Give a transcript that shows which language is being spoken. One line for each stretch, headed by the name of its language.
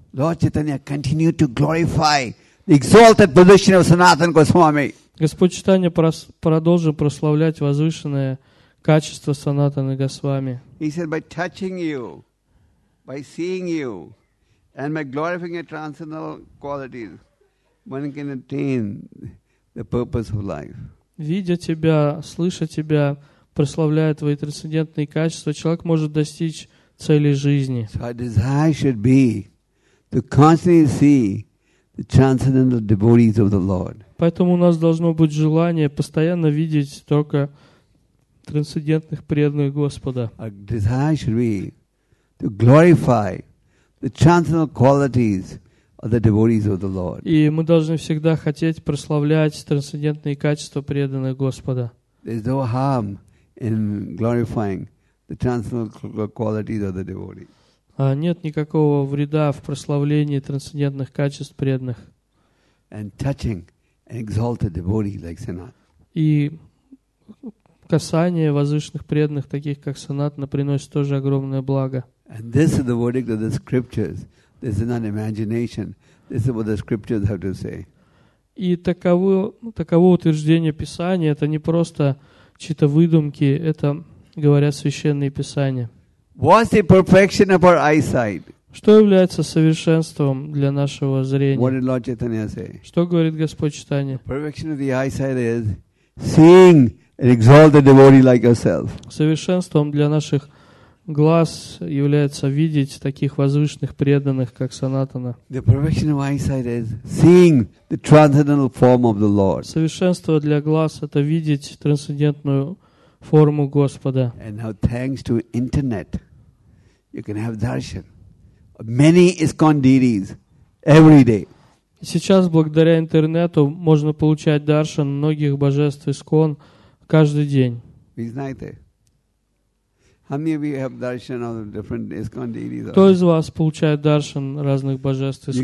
English: Lord Chaitanya continued to glorify the exalted position of Sanatana Goswami.
Russian: Господь Читания продолжил прославлять возвышенное качество Санатаны Госвами.
English: He said, by touching you, by seeing you, and by glorifying your transcendental qualities, one can attain the purpose of life.
Russian: Видя тебя, слыша тебя, прославляя твои трансцендентные качества, человек может достичь цели жизни.
English: So our desire should be to constantly see the transcendental devotees of the Lord.
Russian: Поэтому у нас должно быть желание постоянно видеть только трансцендентных преданных Господа.
English: Our desire should be to glorify the transcendental qualities of the devotees of the Lord.
Russian: И мы должны всегда хотеть прославлять трансцендентные качества преданных Господа.
English: There is no harm in glorifying the transcendental qualities of the devotee.
Russian: Нет никакого вреда в прославлении трансцендентных качеств преданных.
English: And touching an exalted devotee like Sanatana.
Russian: И касание возвышенных преданных, таких как Санатана, приносит тоже огромное благо.
English: And this is the verdict of the scriptures This is not imagination. This is what the scriptures have to say.
Russian: И таково утверждение Писания. Это не просто чьи-то выдумки. Это говорят священные Писания.
English: What's the perfection of our eyesight?
Russian: Что является совершенством для нашего зрения?
English: What did Lord Chaitanya say?
Russian: Что говорит Господь Читания?
English: The perfection of the eyesight is seeing an exalted devotee like yourself.
Russian: Совершенством для наших глаз является видеть таких возвышенных преданных, как Санатана.
English: The perfection of eyesight is seeing the transcendental form of the Lord.
Russian: Совершенство для глаз – это видеть трансцендентную форму Господа.
English: And now, thanks to internet, you can have darshan of many ISKCON deities every day.
Russian: Сейчас, благодаря интернету, можно получать даршан многих божеств ИСКОН каждый день. Вы знаете?
English: How many of you have darshan of different ISKCON deities?
Russian: Кто из вас получает даршан разных божеств ИСКОН?